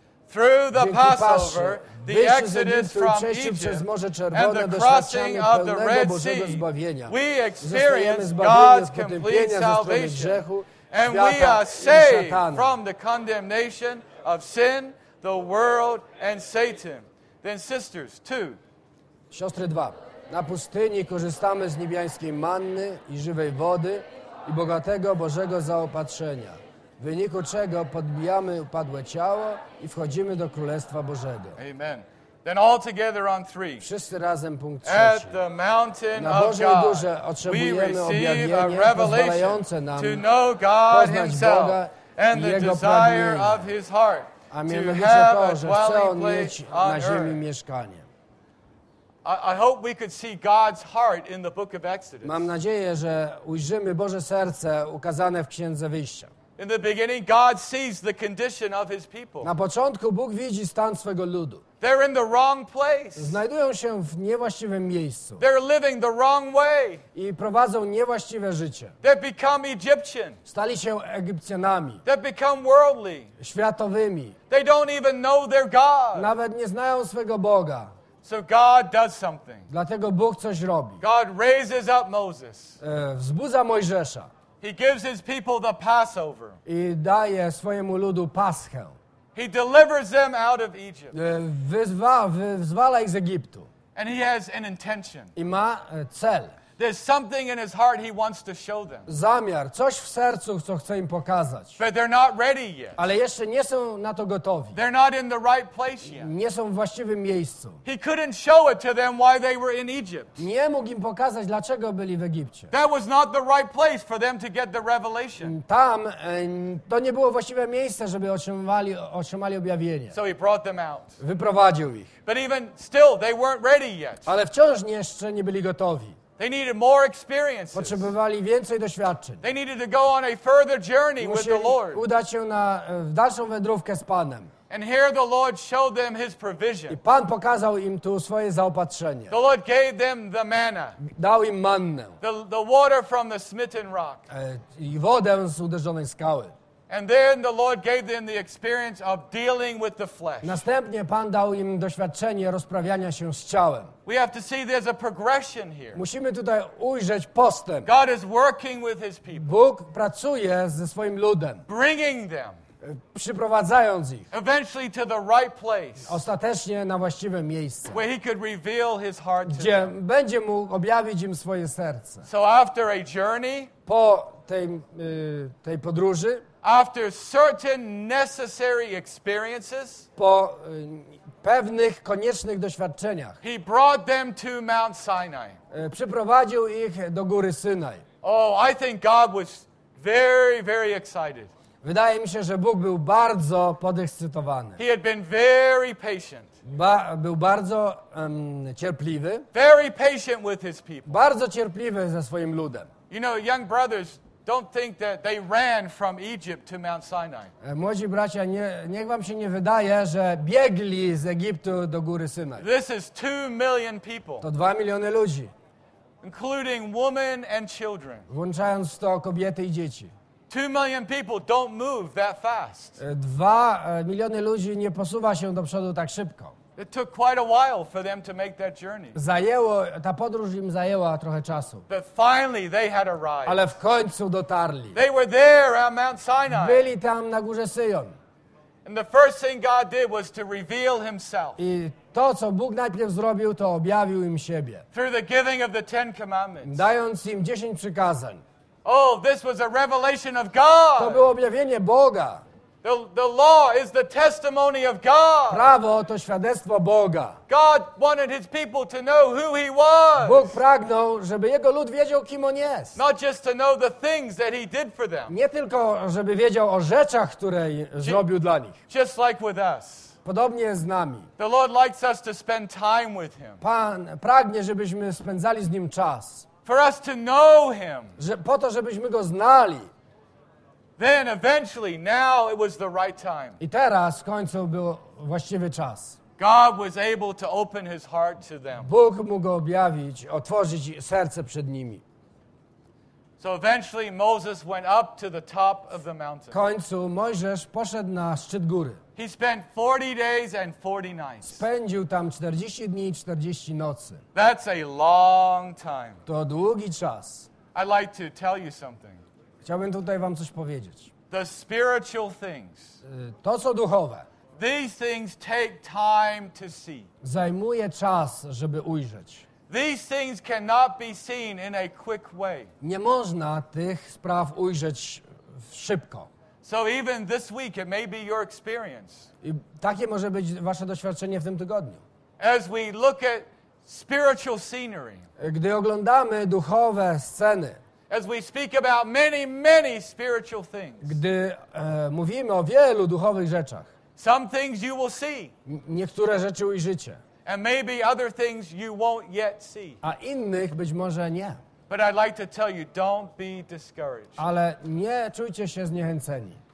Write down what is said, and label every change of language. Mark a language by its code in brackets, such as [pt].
[en] Through the Passover, the exodus from Egypt, and the crossing of the Red Sea, we experience God's complete salvation, and we are saved from the condemnation of sin, the world, and Satan. Then sisters, 2. [pl] Siostry 2. Na pustyni korzystamy z niebiańskiej manny i żywej wody i bogatego Bożego zaopatrzenia. w wyniku czego podbijamy upadłe ciało i wchodzimy do Królestwa Bożego. Amen. [en] Then all together on three. [pl] Wszyscy razem punkt trzeci. [en] At the mountain [pl] na Bożej Górze otrzymujemy objawienie pozwalające nam [en] to know God [pl] poznać Boga [en] and the desire of his heart, [pl] a mianowicie to, że chce On mieć na ziemi mieszkanie. [en] I hope we could see God's heart in the book of Exodus. [pl] Mam nadzieję, że ujrzymy Boże serce ukazane w Księdze Wyjścia. [en] In the beginning, God sees the condition of His people. [pl] Na początku Bóg widzi stan swego ludu. [en] They're in the wrong place. [pl] Znajdują się w niewłaściwym miejscu. [en] They're living the wrong way. [pl] I prowadzą niewłaściwe życie. [en] They've become Egyptian. [pl] Stali się Egipcjanami. [en] They've become worldly. [pl] Światowymi. [en] They don't even know their God. [pl] Nawet nie znają swego Boga. [en] So God does something. [pl] Dlatego Bóg coś robi. [en] God raises up Moses. [pl] Wzbudza Mojżesza. [en] He gives his people the Passover. [pl] I daje swojemu ludu Paschę. [en] He delivers them out of Egypt. [pl] Wyzwala ich z Egiptu. [en] And he has an intention. [pl] I ma cel. [en] There's something in his heart he wants to show them. [pl] Zamiar, coś w sercu, co chce im pokazać. [en] But they're not ready yet. [pl] Ale jeszcze nie są na to gotowi. [en] They're not in the right place yet. [pl] Nie są w właściwym miejscu. [en] He couldn't show it to them why they were in Egypt. [pl] Nie mógł im pokazać, dlaczego byli w Egipcie. [en] That was not the right place for them to get the revelation. [pl] Tam to nie było właściwe miejsce, żeby otrzymali objawienie. [en] So he brought them out. [pl] Wyprowadził ich. [en] But even still, they weren't ready yet. [pl] Ale wciąż jeszcze nie byli gotowi. [en] They needed more experiences. [pl] Potrzebowali więcej doświadczeń. [en] They needed to go on a further journey [pl] musieli [en] with the Lord. [pl] Udać się na dalszą wędrówkę z Panem. [en] And here the Lord showed them his provision. [pl] I Pan pokazał im tu swoje zaopatrzenie. [en] The Lord gave them the manna. [pl] Dał im mannę. [en] The water from the smitten rock. [pl] I wodę z uderzonej skały. [en] And then the Lord gave them the experience of dealing with the flesh. [pl] Następnie Pan dał im doświadczenie rozprawiania się z ciałem. [en] We have to see there's a progression here. [pl] Musimy tutaj ujrzeć postęp. [en] God is working with his people. [pl] Bóg pracuje ze swoim ludem. [en] Bringing them. [pl] Przyprowadzając ich. [en] Eventually to the right place. [pl] Ostatecznie na właściwe miejsce. [en] Where he could reveal his heart [pl] gdzie [en] to them. [pl] Będzie mógł objawić im swoje serce. [en] So after a journey. [pl] Po tej podróży. [en] After certain necessary experiences, [pl] po pewnych koniecznych doświadczeniach, [en] he brought them to Mount Sinai. [pl] Przyprowadził ich do góry Synaj. [en] Oh, I think God was very, very excited. [pl] Wydaje mi się, że Bóg był bardzo podekscytowany. [en] He had been very patient. [pl] Był bardzo cierpliwy. [en] Very patient with his people. [pl] Bardzo cierpliwy ze swoim ludem. [en] You know, young brothers. Don't think that they ran from Egypt to Mount Sinai. [pl] Młodzi bracia, niech wam się nie wydaje, że biegli z Egiptu do góry Synaj. [en] This is 2 million people. [pl] To 2 miliony ludzi. [en] Including women and children. [pl] Włączając w to kobiety i dzieci. [en] 2 million people don't move that fast. [pl] 2 miliony ludzi nie posuwa się do przodu tak szybko. [en] It took quite a while for them to make that journey. [pl] Ta podróż im zajęła trochę czasu. [en] But finally they had arrived. [pl] Ale w końcu dotarli. [en] They were there at Mount Sinai. [pl] Byli tam na górze Syjon. [en] And the first thing God did was to reveal himself. [pl] I to, co Bóg najpierw zrobił, to objawił im siebie. [en] Through the giving of the Ten Commandments. [pl] Dając im 10 przykazań. [en] Oh, this was a revelation of God. [pl] To było objawienie Boga. [en] The law is the testimony of God. [pl] Prawo to świadectwo Boga. [en] God wanted his people to know who he was. [pl] Bóg pragnął, żeby jego lud wiedział, kim on jest. [en] Not just to know the things that he did for them. [pl] Nie tylko, żeby wiedział o rzeczach, które zrobił dla nich. [en] Just like with us. [pl] Podobnie z nami. [en] The Lord likes us to spend time with him. [pl] Pan pragnie, żebyśmy spędzali z nim czas. [en] For us to know him. [pl] Po to, żebyśmy go znali. [en] Then eventually, now it was the right time. [pl] I teraz w końcu był właściwy czas. [en] God was able to open his heart to them. [pl] Bóg mógł objawić, otworzyć serce przed nimi. [en] So eventually Moses went up to the top of the mountain. [pl] W końcu Mojżesz poszedł na szczyt góry. [en] He spent 40 days and 40 nights. [pl] Spędził tam 40 dni i 40 nocy. [en] That's a long time. [pl] To długi czas. [en] I'd like to tell you something. [pl] Chciałbym tutaj wam coś powiedzieć. [en] The spiritual things. [pl] To, co duchowe. [en] These things take time to see. [pl] Zajmuje czas, żeby ujrzeć. [en] These things cannot be seen in a quick way. [pl] Nie można tych spraw ujrzeć szybko. [en] So even this week it may be your experience. [pl] I takie może być wasze doświadczenie w tym tygodniu. [en] As we look at spiritual scenery. [pl] Gdy oglądamy duchowe sceny. [en] As we speak about many, many spiritual things. [pl] Gdy mówimy o wielu duchowych rzeczach. [en] Some things you will see. [pl] Niektóre rzeczy ujrzycie. [en] And maybe other things you won't yet see. [pl] A innych być może nie. [en] But I'd like to tell you, don't be discouraged. [pl] Ale nie czujcie się zniechęceni.